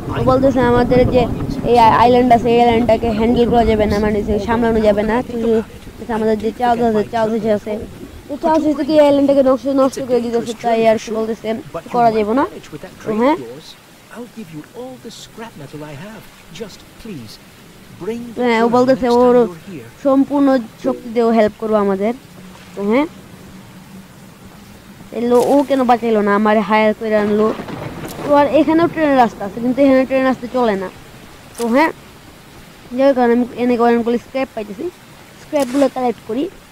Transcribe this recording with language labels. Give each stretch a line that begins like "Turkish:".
Bangla: বলতেছে আমাদের যে এই আইল্যান্ড আছে, এই আইল্যান্ডটাকে হ্যান্ডেল করা যাবে না, মানে সামলানো যাবে না। আমাদের যে চার্জ আছে, এই আইল্যান্ডটাকে নষ্ট নষ্ট করে দিতেছে, তাই আর কি বলতেছে করা যাবে না। হ্যাঁ
English: I'll give you all the scrap metal I have. Just please bring the
Bangla: ও বলতেছে ওর সম্পূর্ণ শক্তি দিয়ে হেল্প করবো আমাদের। তো হ্যাঁ এলো, ও কেন বাঁচাইলো না, আমার হায়ার করে আনলো। তো আর এখানেও ট্রেনের রাস্তা আছে, কিন্তু এখানে ট্রেন আসতে চলে না। তো হ্যাঁ যাই হোক, আমি এনে অনেকগুলো স্ক্র্যাপ পাইতেছি, স্ক্র্যাপগুলো কালেক্ট করি।